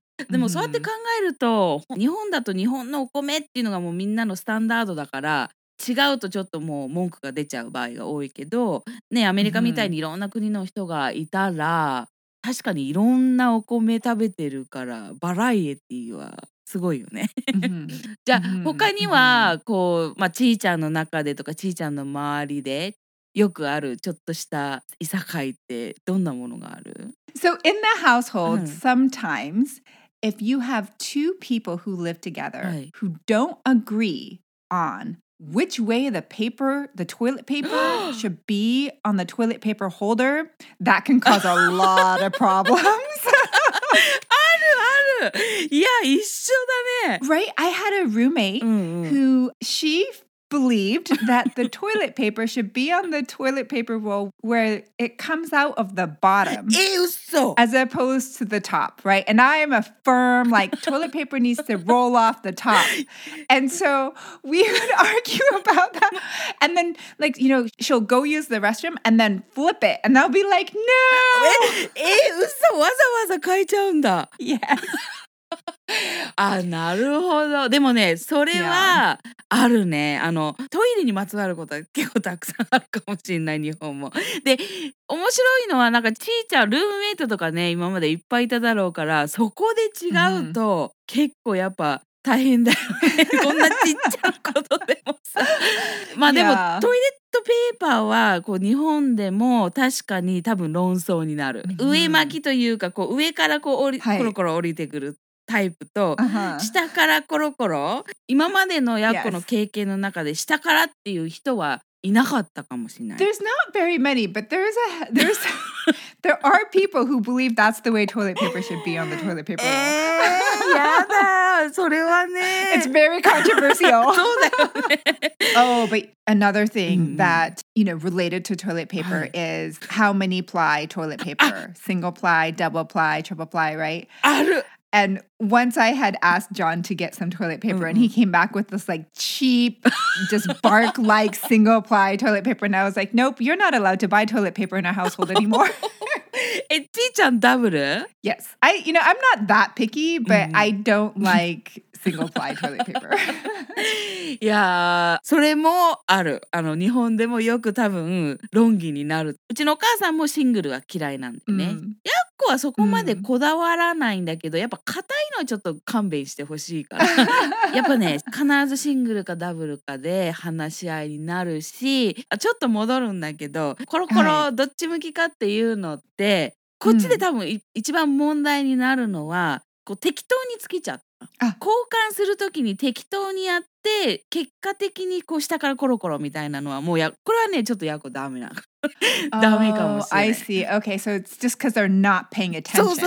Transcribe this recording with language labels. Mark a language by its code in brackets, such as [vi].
[ja] でもそうやって考えると、日本だと日本のお米っていうのがもうみんなのスタンダードだから、違うとちょっともう文句が出ちゃう場合が多いけど、ね、アメリカみたいにいろんな国の人がいたら、確かにいろんなお米食べてるからバラエティはすごいよね。じゃあ他にはこう、まあ、ちーちゃんの中でとかちーちゃんの周りでよくあるちょっとしたいさかいってどんなものがある？ [en] So in the household, sometimes if you have two people who live together who don't agree on which way the toilet paper should be on the toilet paper holder, that can cause a lot of problems. [ja] ある。Yeah, 一緒だね。 [en] Right? I had a roommate who, she believed that the toilet paper should be on the toilet paper roll where it comes out of the bottom. Eso. As opposed to the top, right? And I am a firm, like, toilet paper needs to roll off the top. And so we would argue about that. And then, like, you know, she'll go use the restroom and then flip it. And they'll be like, no! Eso. [ja] わざわざ書いちゃうんだ。 [en] Yes. [ja] あ、なるほど。でもね、それはあるね。あの、トイレにまつわることは結構たくさんあるかもしれない、日本も。で、面白いのは、なんか、ちーちゃん、ルームメイトとかね、今までいっぱいいただろうから、そこで違うと、結構やっぱ大変だよね。こんなちっちゃなことでもさ。まあでも、トイレットペーパーは、こう、日本でも確かに多分論争になる。上巻きというか、こう、上からこう、コロコロ降りてくる。タイプと、下からコロコロ、今までのやっこの経験の中で下からっていう人はいなかったかもしれない。 [en] There's not very many, but there are people who believe that's the way toilet paper should be on the toilet paper. [ja] やだ、それはね。 [en] It's very controversial. [ja] そうだよね。 [en] Oh, but another thing that, you know, related to toilet paper is how many ply toilet paper? Single ply, double ply, triple ply, right? [ja] ある。 [en] And once I had asked John to get some toilet paper, and he came back with this like cheap, just bark-like single ply toilet paper. And I was like, nope, you're not allowed to buy toilet paper in our household anymore. Chi-chan double? Yes. I, you know, I'm not that picky, but I don't like single ply toilet paper. [ja] Yeah, それもある。あの、日本でもよく多分論議になる。うちのお母さんもシングルは嫌いなんでね。僕はそこまでこだわらないんだけど、やっぱ硬いのはちょっと勘弁してほしいからやっぱね、必ずシングルかダブルかで話し合いになるし、ちょっと戻るんだけど、コロコロどっち向きかっていうのって、こっちで多分一番問題になるのは、こう適当につけちゃった。交換するときに適当にやって、結果的にこう下からコロコロみたいなのはもう、やこれはね、ちょっとやっこダメなの。 [en] Oh, I see. Okay, so it's just because they're not paying attention.